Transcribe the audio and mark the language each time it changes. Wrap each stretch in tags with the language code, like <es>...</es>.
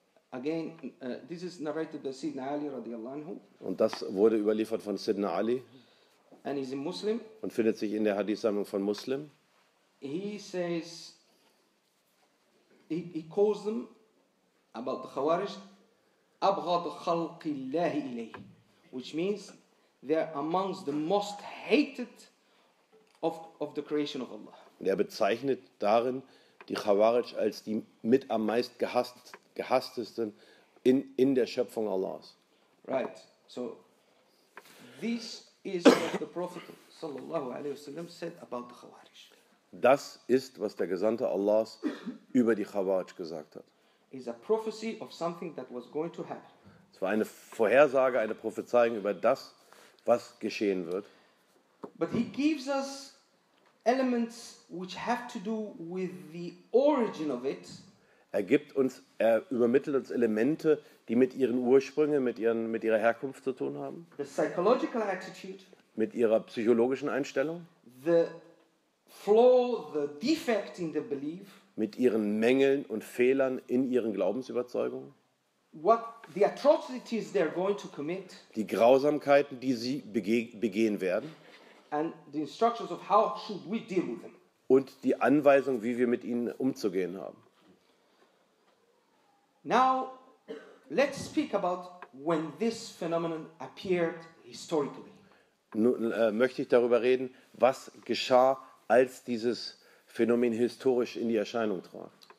<en>Again, this is narrated by Sidna Ali radiallahu anhu.</en> <de>Und das wurde überliefert von Sidna Ali.</de> <en>And he's a Muslim.</en> <de>Und findet sich in der Hadith-Sammlung von Muslim.</de> <en>He says, he calls them. About the Khawarij,</en> <ar>أبغض خلق الله إليه,</ar> <en>which means they're amongst the most hated of the creation of Allah.</en> <de>Er bezeichnet darin die Khawarij als die mit am meist gehasstesten in der Schöpfung Allahs.</de> <en>Right. So this is what the Prophet sallallahu alaihi wasallam said about the Khawarij.</en> <de>Das ist, was der Gesandte Allahs über die Khawarij gesagt hat.</de> <en>Is a prophecy of something that was going to happen.</en> <de>Es war eine Vorhersage, eine Prophezeiung über das, was geschehen wird.</de> <en>But he gives us elements which have to do with the origin of it.</en> <de>Er übermittelt uns Elemente, die mit ihren Ursprüngen, mit ihrer Herkunft zu tun haben.</de> <en>The psychological attitude.</en> <de>Mit ihrer psychologischen Einstellung.</de> <en>The flaw, the defect in the belief.</en> <de>Mit ihren Mängeln und Fehlern in ihren Glaubensüberzeugungen.</de> <en>What the atrocities they're going to commit.</en> <de>Die Grausamkeiten, die sie begehen werden.</de> <en>And the instructions of how should we deal with them.</en> <de>Und die Anweisung, wie wir mit ihnen umzugehen haben.</de> <en>Now, let's speak about when this phenomenon appeared historically.</en> <de>Nun möchte ich darüber reden, was geschah, als dieses Phänomen historisch in die Erscheinung trat.</de>